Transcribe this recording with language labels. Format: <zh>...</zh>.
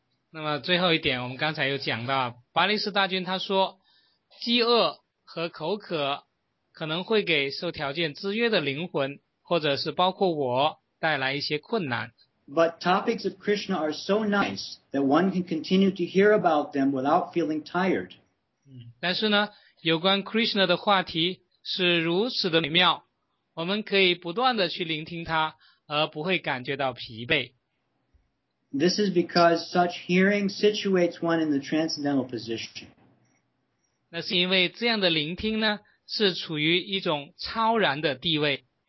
<zh>那么最后一点，我们刚才有讲到，巴利士大君他说，饥饿和口渴可能会给受条件制约的灵魂，或者是包括我带来一些困难。</zh> <en>But topics of Krishna are so nice that one can continue to hear about them without feeling tired.</en> <zh>但是呢。有关 Krishna 的话题是如此的美妙，我们可以不断的去聆听它，而不会感觉到疲惫。</zh> <en>This is because such hearing situates one in the transcendental position.</en> <zh>那是因为这样的聆听呢，是处于一种超然的地位。</zh>